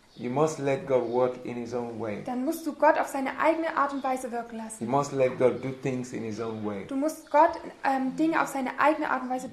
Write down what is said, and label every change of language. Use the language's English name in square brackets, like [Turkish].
[English] you must let God work in His own way. [German] Dann musst du Gott auf seine eigene Art und Weise wirken lassen. [English] You must let God do things in His own way. [German] Du musst Gott Dinge auf seine eigene Art und Weise tun